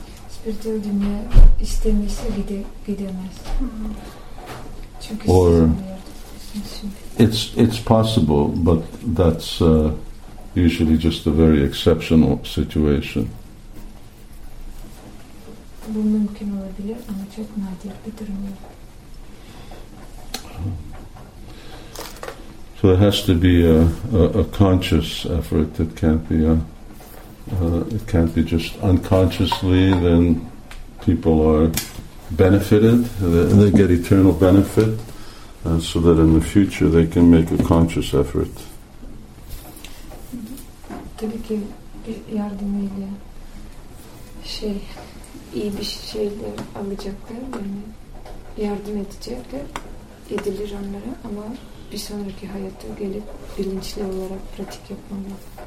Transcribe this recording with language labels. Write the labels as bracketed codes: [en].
[tr] Spiritual dünya istemese gidemez. [en] Çünkü or it's possible, but that's usually just a very exceptional situation. [tr] Bu mümkün olabilir ama çok nadir bir durum. [en] So it has to be a conscious effort. It can't be just unconsciously, then people are benefited, they get eternal benefit, and so that in the future they can make a conscious effort. [tr] Tabii ki bir yardımıyla iyi bir şeyler alacaklar, yani yardım edecekler, edilir onlara ama bir sonraki hayata gelip bilinçli olarak pratik yapmalar.